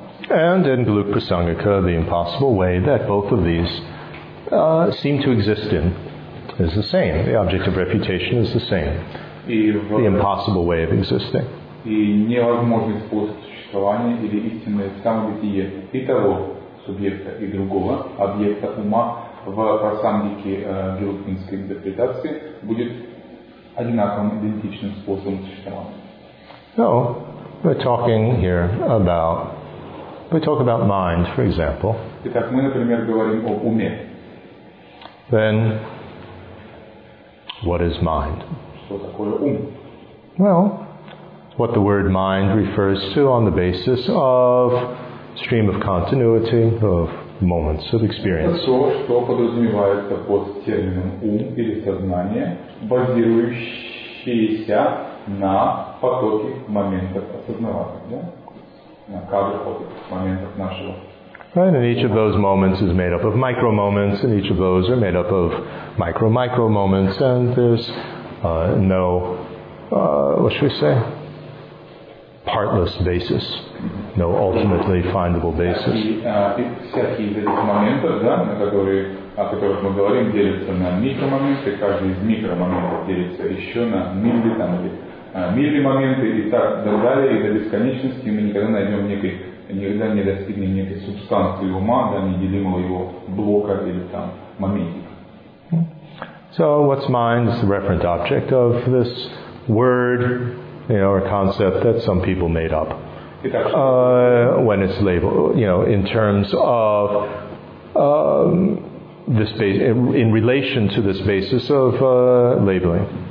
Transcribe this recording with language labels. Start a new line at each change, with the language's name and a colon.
English: And in Galukha Prasangika, the impossible way that both of these seem to exist in is the same. The object of refutation is the same. The impossible way of existing.
Russian: И невозможный способ существования или истинное самобытие и того субъекта и другого объекта ума в Прасангике Гилуктинской интерпретации будет одинаковым, идентичным способом существования.
English: No, we're talking here about, we talk about mind, for example.
Russian: Итак, мы, например, говорим об уме.
English: Then, what is mind?
Russian: Что такое ум?
English: Well, what the word mind refers to on the basis of stream of continuity of moments of experience.
Russian: Это то, что подразумевается под термином ум или сознание, базирующееся на потоке моментов осознавания, да? На кадрах моментов нашего.
English: Right, and each of those moments is made up of micro moments, and each of those are made up of micro moments, and there's no, what should we say? Partless basis, no ultimately findable basis.
Russian: Всякие из этих моментов, да, на которые, о которых мы говорим, делятся на микромоменты, каждый из микромоментов делится еще на милли, там, или миллимоменты, и так далее, и до бесконечности мы никогда найдем некой, никогда не достигнем некой субстанции ума, да, неделимого его блока или там моментика.
English: So what's mind is the referent object of this word, you know, a concept that some people made up when it's labeled, you know, in terms of this base, in relation to this basis of labeling.